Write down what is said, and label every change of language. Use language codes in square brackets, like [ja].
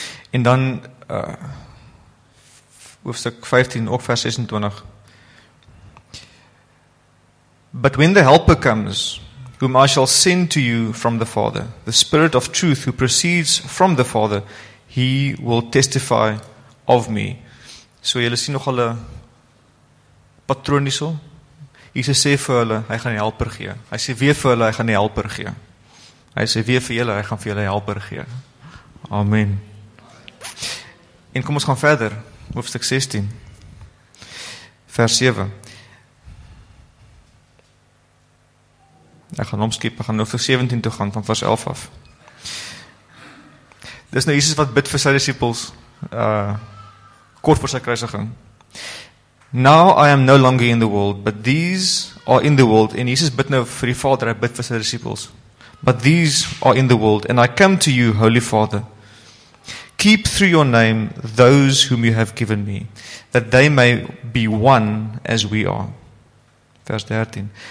[af] En dan, hoofstuk 15, ook vers 26. [en] But when the Helper comes, whom I shall send to you from the Father, the Spirit of truth who proceeds from the Father, he will testify of me. [af] So julle sien nogal 'n patroon hierso. Jesus sê vir hulle, hy gaan die Helper gee. Hy sê weer vir hulle, hy gaan die Helper gee. Hy sê weer vir julle, hy gaan vir julle Helper gee. Amen. En kom ons gaan verder, hoofstuk 16, vers 7. Ek gaan omskip, ek gaan hoofstuk 17 toe gaan, van vers 11 af. Dis nou Jesus wat bid vir sy disciples, kort voor sy kruisiging. [en] Now I am no longer in the world, but these are in the world. [af] En Jesus bid nou vir die Vader, hy bid vir sy disciples. [en] But these are in the world, and I come to you, Holy Father. Keep through your name those whom you have given me, that they may be one as we are. Verse 13.